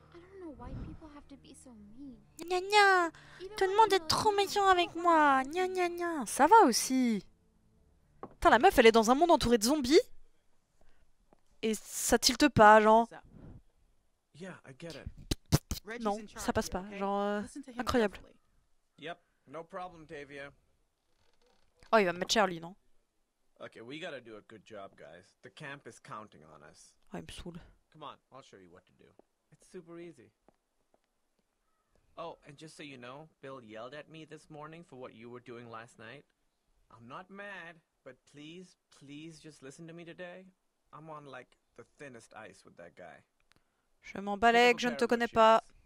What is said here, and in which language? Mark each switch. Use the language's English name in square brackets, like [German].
[English] I don't know why people have to be so mean. Nya nya nya. [French] Tout le monde est trop méchant avec moi. Nya nya nya. Ça va aussi. Putain, la meuf, elle est dans un monde entouré de zombies. Et ça tilte pas, genre. [English] Yeah, I get it. [French] Non, ça passe pas, genre incroyable. [English] Yep, no problem, Tavia. [French] Oh, il va me mettre cher lui, non? [English] Okay, we gotta do a good job, guys. The camp is counting on us. [French] Oh, il me saoule. [English] Come on, I'll show you what to do. It's super easy. Oh, and just so you know, Bill yelled at me this morning for what you were doing last night. I'm not mad, but please, please just listen to me today. I'm on like the thinnest ice with that guy. [French] Je m'en balègue, je ne te connais pas.